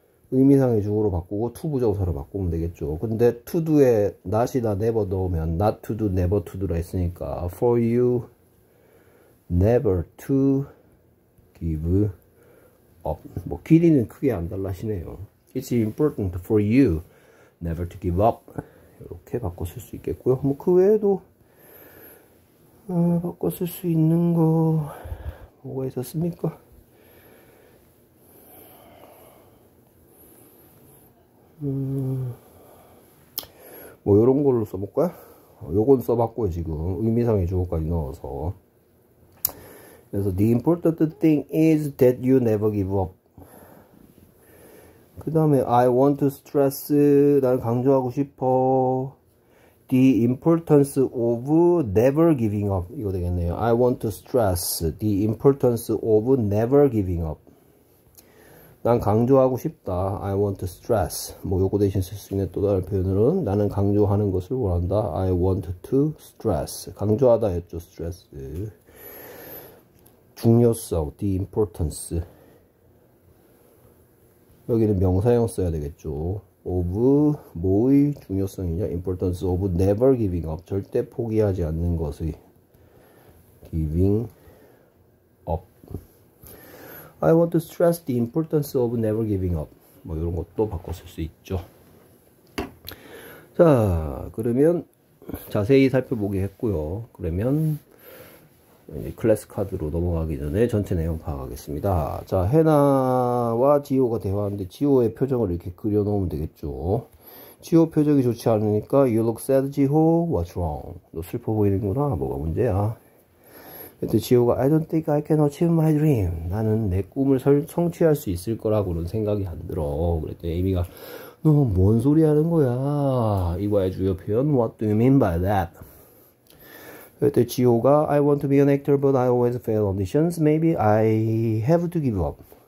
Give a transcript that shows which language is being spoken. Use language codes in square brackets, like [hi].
[ko] 의미상의 주어로 바꾸고 to 부정사로 바꾸면 되겠죠. 근데 to do에 not이나 never 넣으면 [en] not to do, never to do [ko] 라 했으니까 [en] for you never to give up. [ko] 뭐 길이는 크게 안 달라지네요. [en] It's important for you never to give up. [ko] 이렇게 바꿔 쓸 수 있겠고요. 뭐 그 외에도 바꿔 쓸 수 있는 거 뭐가 있었습니까? 뭐 요런 걸로 써볼까요? 요건 써봤고요. 지금 의미상의 주어까지 넣어서. 그래서 [en] the important thing is that you never give up. [ko] 그 다음에 [en] I want to stress, [ko] 난 강조하고 싶어. [en] The importance of never giving up. [ko] 이거 되겠네요. [en] I want to stress the importance of never giving up. [ko] 난 강조하고 싶다. [en] I want to stress. [ko] 뭐 요거 대신 쓸 수 있는 또 다른 표현으로는 나는 강조하는 것을 원한다. [en] I want to stress. [ko] 강조하다 했죠. [en] stress. [ko] 중요성, [en] the importance. [ko] 여기는 명사형 써야 되겠죠. of, 뭐의 중요성이냐? [en] importance of never giving up. [ko] 절대 포기하지 않는 것의. [en] giving up. I want to stress the importance of never giving up. [ko] 뭐 이런 것도 바꿔 쓸 수 있죠. 자, 그러면 자세히 살펴보게 했고요. 그러면 이제 클래스 카드로 넘어가기 전에 전체 내용 파악하겠습니다. 자, 헤나와 지오가 대화하는데 지오의 표정을 이렇게 그려놓으면 되겠죠. 지호 표정이 좋지 않으니까 [en] You look sad, 지호. What's wrong? [ko] 너 슬퍼 보이는구나. 뭐가 문제야? 그때 지호가 [en] I don't think I can achieve my dream. [ko] 나는 내 꿈을 성취할 수 있을 거라고는 생각이 안 들어. 그랬더니 에이미가 너 뭔 소리 하는 거야? 이거의 주요 표현 [en] What do you mean by that? [ko] 그때 지호가 [en] I want to be an actor but I always fail auditions. Maybe I have to give up.